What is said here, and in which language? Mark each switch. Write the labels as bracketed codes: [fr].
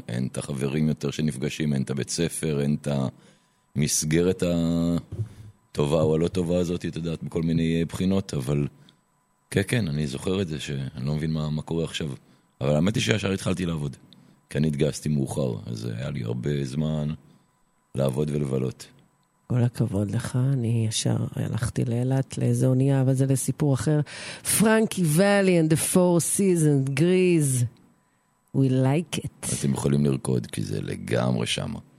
[he] אין את החברים יותר שנפגשים? אין את הבית ספר? אין את המסגרת הטובה או הלא טובה הזאת, את יודעת, בכל מיני בחינות, אבל כן, כן, אני זוכר את זה, שאני לא מבין מה קורה עכשיו. אבל האמת היא שישר התחלתי לעבוד. כי אני התגייסתי מאוחר, אז היה לי הרבה זמן לעבוד ולבלות. כל הכבוד לך, אני ישר הלכתי לאלת לאיזה אונייה, אבל זה לסיפור אחר. פרנקי ואלי and the four seasons, גריז. [en] We like it. [he] אתם יכולים לרקוד, כי זה לגמרי שם.